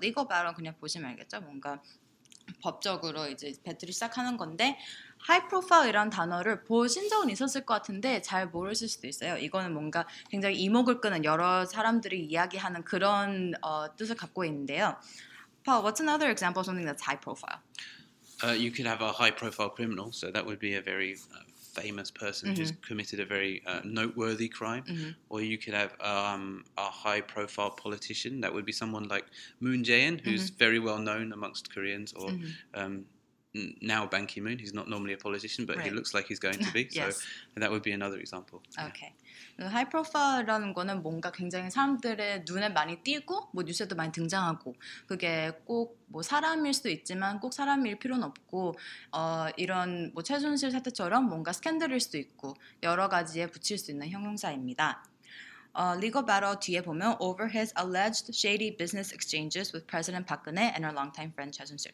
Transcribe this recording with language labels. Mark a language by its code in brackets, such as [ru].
[en] Legal battle [ko] 그냥 보시면 알겠죠. 뭔가 법적으로 이제 배틀을 시작하는 건데 high profile 이란 단어를 보신 적은 있었을 것 같은데 잘 모르실 수도 있어요. 이거는 뭔가 굉장히 이목을 끄는 여러 사람들이 이야기하는 그런 뜻을 갖고 있는데요. [en] Paul, what's another example of something that's high profile? You could have a high profile criminal, so that would be a very famous person mm-hmm. who's committed a very noteworthy crime. Mm-hmm. Or you could have a high profile politician, that would be someone like Moon Jae-in, who's mm-hmm. very well known amongst Koreans, or mm-hmm. Now Ban Ki-moon. He's not normally a politician, but right. he looks like he's going to be. yes. So that would be another example. Okay. Yeah. [ko] 하이 프로파일이라는 거는 뭔가 굉장히 사람들의 눈에 많이 띄고 뭐 뉴스에도 많이 등장하고 그게 꼭 뭐 사람일 수도 있지만 꼭 사람일 필요는 없고 이런 뭐 최순실 사태처럼 뭔가 스캔들일 수도 있고 여러 가지에 붙일 수 있는 형용사입니다. [en] Legal battle [ko] 뒤에 보면 [en] over his alleged shady business exchanges with President 박근혜 and her longtime friend 최순실.